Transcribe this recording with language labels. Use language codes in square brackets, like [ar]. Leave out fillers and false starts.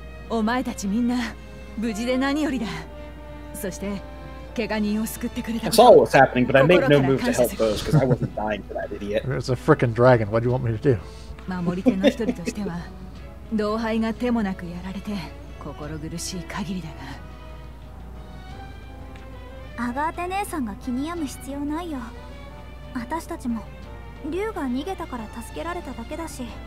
[ja] お前たちみんな無事で何よりだ。そして怪我人を救ってくれた。 [en] I saw what was happening, but I made no move to help those because I wasn't dying for that idiot. There's a freaking dragon. What do you want me to do? [ja] 守り手の一人としては、同輩が手もなくやられて心苦しい限りだが。アガーテ姉さんが気に病む必要ないよ。私たちも竜が逃げたから助けられただけだし。